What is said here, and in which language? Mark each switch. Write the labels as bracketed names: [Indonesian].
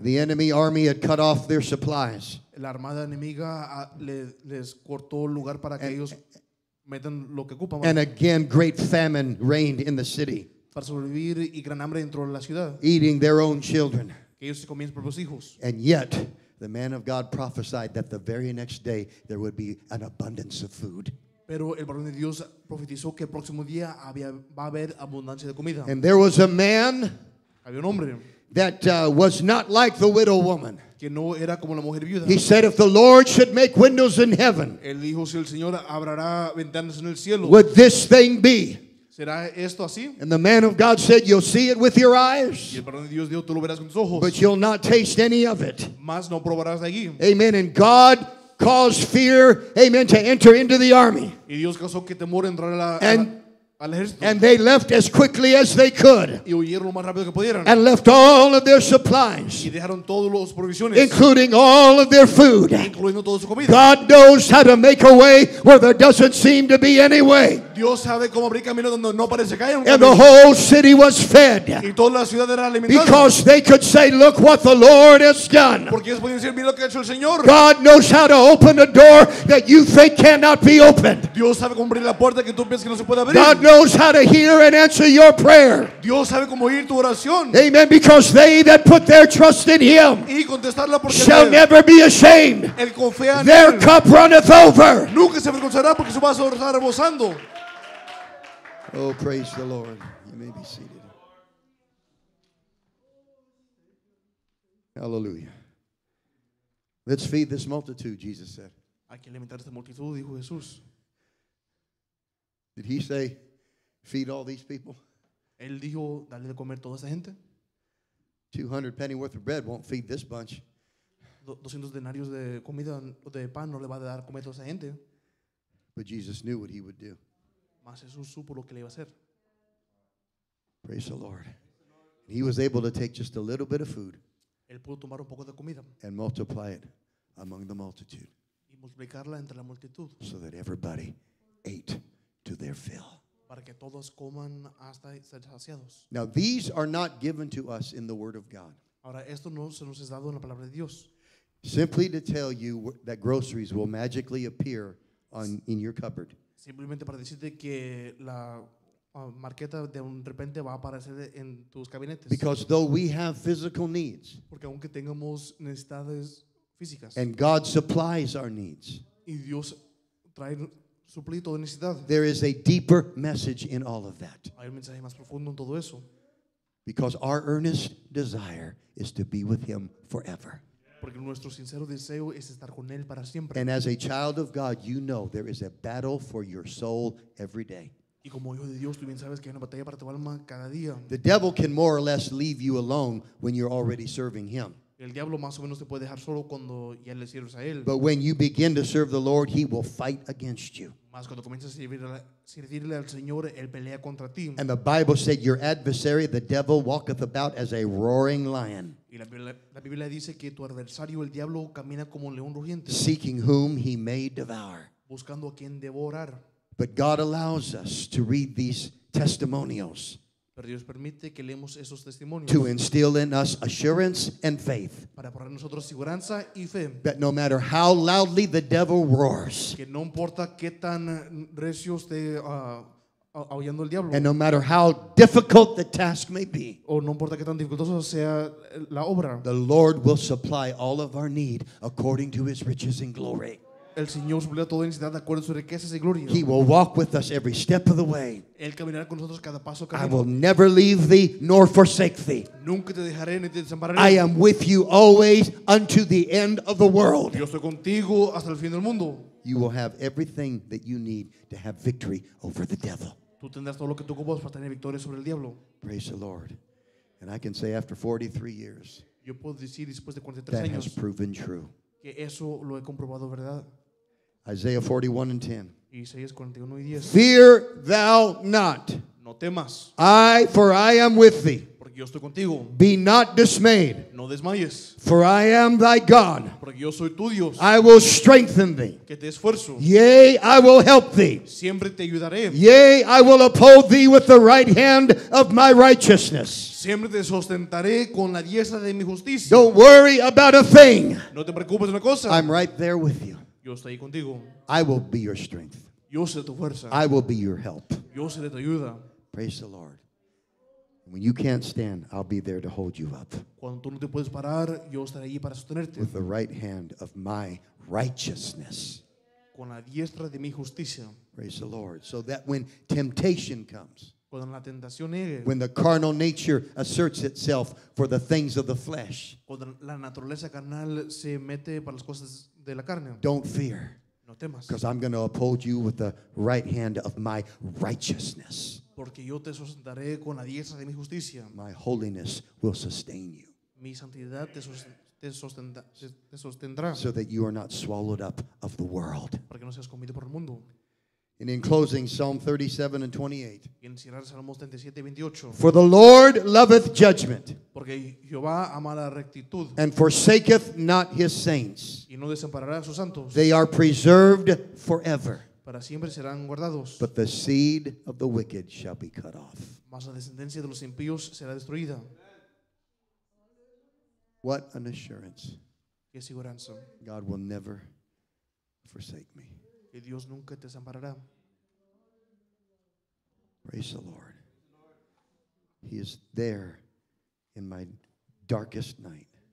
[English] The enemy army had cut off their supplies. [Spanish] La armada enemiga les cortó el lugar para que ellos metan lo que ocupan. [English] And again, great famine reigned in the city. [Spanish] Para sobrevivir y gran hambre dentro de la ciudad. [English] Eating their own children. [Spanish] Que ellos se comían sus propios hijos. [English] And yet, the man of God prophesied that the very next day there would be an abundance of food. [Spanish] Pero el varón de Dios profetizó que el próximo día va a haber abundancia de comida. [English] And there was a man [Spanish] había un hombre [English] that was not like the widow woman. [Spanish] Que no era como la mujer viuda. [English] He said, if the Lord should make windows in heaven, [Spanish] él dijo, si el Señor abrirá ventanas en el cielo, [English] would this thing be? [Spanish] ¿Será esto así? [English] And the man of God said, you'll see it with your eyes. [Spanish] Y el varón de Dios dijo, tú lo verás con tus ojos. [English] But you'll not taste any of it. [Spanish] Más no probarás de allí. [English] Amen. And God caused fear, amen, to enter into the army. [Spanish] Y Dios causó que temor entrar a la, al ejército. [English] And they left as quickly as they could. [Spanish] Y huyeron lo más rápido que pudieron. [English] And left all of their supplies. [Spanish] Y dejaron todos los provisiones. [English] Including all of their food. [Spanish] Incluyendo toda su comida. [English] God knows how to make a way where there doesn't seem to be any way. [Spanish] Dios sabe cómo abrir camino donde no parece que haya un camino. [English] And the whole city was fed. [Spanish] Y toda la ciudad era alimentada. [English] Because they could say, look what the Lord has done. [Spanish] Porque ellos podían decir, mira lo que ha hecho el Señor. [English] God knows how to open a door that you think cannot be opened. [Spanish] Dios sabe cómo abrir la puerta que tú piensas que no se puede abrir. [English] God knows how to hear and answer your prayer. [Spanish] Dios sabe cómo oír tu oración. [English] Amen. Because they that put their trust in him [Spanish] y contestarla porque [English] shall never be ashamed. [Spanish] El confía en [English] their [Spanish] él. [English] Cup runneth over. [Spanish] Nunca se avergonzará porque su vaso está rebosando. [English] Oh, praise the Lord. You may be seated. Hallelujah. Let's feed this multitude, Jesus said. [Spanish] Hay que alimentar esta multitud, dijo Jesús. [English] Did he say, feed all these people? [Spanish] Él dijo, dale de comer toda esa gente. [English] 200 penny worth of bread won't feed this bunch. [Spanish] 200 denarios de comida o de pan no le va a dar comer toda esa gente. [English] But Jesus knew what he would do. [Spanish] Mas Jesús supo lo que le iba a hacer. [English] Praise the Lord. He was able to take just a little bit of food [Spanish] él pudo tomar un poco de comida [English] and multiply it among the multitude. [Spanish] Y multiplicarla entre la multitud. [English] So that everybody ate to their fill. [Spanish] Para que todos coman hasta ser saciados. [English] Now these are not given to us in the Word of God. [Spanish] Ahora, esto no se nos es dado en la palabra de Dios. [English] Simply to tell you that groceries will magically appear in your cupboard. [Spanish] Simplemente para decirte que la marqueta de un repente va a aparecer en tus gabinetes. [English] Because though we have physical needs, [Spanish] porque aunque tengamos necesidades físicas, [English] and God supplies our needs, [Spanish] y Dios trae suplir toda necesidad, [English] there is a deeper message in all of that. [Spanish] Hay un mensaje más profundo en todo eso. [English] Because our earnest desire is to be with Him forever. [Spanish] Porque nuestro sincero deseo es estar con él para siempre. [English] And as a child of God, you know there is a battle for your soul every day. [Spanish] Y como hijo de Dios, tú bien sabes que hay una batalla para tu alma cada día. [English] The devil can more or less leave you alone when you're already serving him. [Spanish] El diablo más o menos te puede dejar solo cuando ya le sirves a él. [English] But when you begin to serve the Lord, he will fight against you. [Spanish] Más cuando comienzas a servirle al Señor, él pelea contra ti. [English] And the Bible said, your adversary, the devil, walketh about as a roaring lion. [Spanish] Y la Biblia dice que tu adversario, el diablo, camina como un león rugiente. [English] Seeking whom he may devour. [Spanish] Buscando a quien devorar. [English] But God allows us to read these testimonials. [Spanish] Pero Dios permite que leemos esos testimonios. [English] To instill in us assurance and faith. [Spanish] Para poner nosotros seguridad y fe. [English] That no matter how loudly the devil roars. [Spanish] Que no importa qué tan recio esté aullando el diablo. [English] And no matter how difficult the task may be. [Spanish] O no importa qué tan dificultoso sea la obra. [English] The Lord will supply all of our need according to his riches and glory. [Spanish] El Señor suplirá toda necesidad de acuerdo a sus riquezas y gloria. [English] He will walk with us every step of the way. [Spanish] Él caminará con nosotros cada paso. [English] I will never leave thee nor forsake thee. [Spanish] Nunca te dejaré ni te desampararé. [English] I am with you always unto the end of the world. [Spanish] Yo estoy contigo hasta el fin del mundo. [English] You will have everything that you need to have victory over the devil. [Spanish] Tú tendrás todo lo que tú ocupas para tener victoria sobre el diablo. [English] Praise the Lord. And I can say after 43 years. [Spanish] Yo puedo decir después de 43 años. [English] That has proven true. [Spanish] Que eso lo he comprobado verdad. [English] Isaiah 41:10. Fear thou not. [Spanish] No temas. [English] I am with thee. [Spanish] Porque yo estoy contigo. [English] Be not dismayed. [Spanish] No desmayes. [English] For I am thy God. [Spanish] Porque yo soy tu Dios. [English] I will strengthen thee. [Spanish] Que te esfuerzo. [English] Yea, I will help thee. [Spanish] Siempre te ayudaré. [English] Yea, I will uphold thee with the right hand of my righteousness. [Spanish] Siempre te sostentaré con la diestra de mi justicia. [English] Don't worry about a thing. [Spanish] No te preocupes una cosa. [English] I'm right there with you. [Spanish] Yo estoy contigo. [English] I will be your strength. [Spanish] Yo seré tu fuerza. [English] I will be your help. [Spanish] Yo seré tu ayuda. [English] Praise the Lord. When you can't stand, I'll be there to hold you up. [Spanish] Cuando tú no te puedes parar, yo estaré allí para sostenerte. [English] With the right hand of my righteousness. [Spanish] Con la diestra de mi justicia. [English] Praise the Lord. So that when temptation comes, [Spanish] cuando la tentación llegue, [English] when the carnal nature asserts itself for the things of the flesh, [Spanish] cuando la naturaleza carnal se mete para las cosas de la carne, [English] don't fear. [Spanish] No temas. [English] Because I'm going to uphold you with the right hand of my righteousness. [Spanish] Porque yo te sostendré con la diestra de mi justicia. [English] My holiness will sustain you. [Spanish] Mi santidad te sostendrá. [English] So that you are not swallowed up of the world. [Spanish] Porque no seas comido por el mundo. [English] And in closing, Psalm 37:28. [Spanish] En cerrar Salmos 37:28. [English] For the Lord loveth judgment. [Spanish] Porque Jehová ama la rectitud. [English] And forsaketh not his saints. [Spanish] Y no desamparará a sus santos. [English] They are preserved forever. [Spanish] Para siempre serán guardados. [English] But the seed of the wicked shall be cut off. [Spanish] Mas la descendencia de los impíos será destruida. [English] What an assurance. [Spanish] Qué seguridad. [English] God will never forsake me. [Spanish] Que Dios nunca te desamparará. [English] Praise the Lord. He is there in my darkest night.